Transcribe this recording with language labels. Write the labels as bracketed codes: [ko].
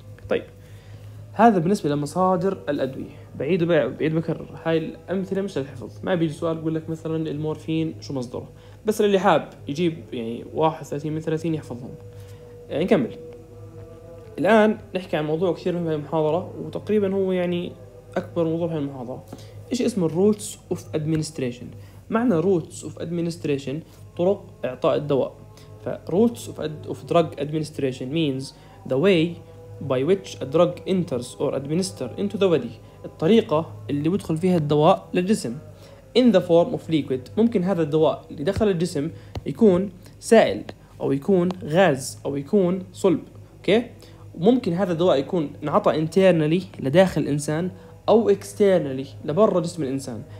[ar] طيب هذا بالنسبة لمصادر الأدوية. بعيد بكرر، هاي الأمثلة مش للحفظ، ما بيجي سؤال بقول لك مثلا المورفين شو مصدره، بس للي حاب يجيب يعني 31 من 30 يحفظهم. يعني نكمل الآن نحكي عن موضوع كثير مهم في المحاضرة، وتقريبا هو يعني أكبر موضوع في المحاضرة. إيش اسمه Roots of Administration؟ معنى Roots of Administration طرق إعطاء الدواء. [en] Roots of Drug Administration means the way by which a drug enters or administer into the body. [ar] الطريقة اللي بدخل فيها الدواء للجسم. [en] In the form of liquid، [ar] ممكن هذا الدواء اللي دخل الجسم يكون سائل او يكون غاز او يكون صلب. اوكي، ممكن هذا الدواء يكون نعطى انترنالي لداخل الانسان او اكسترنالي لبرا جسم الانسان.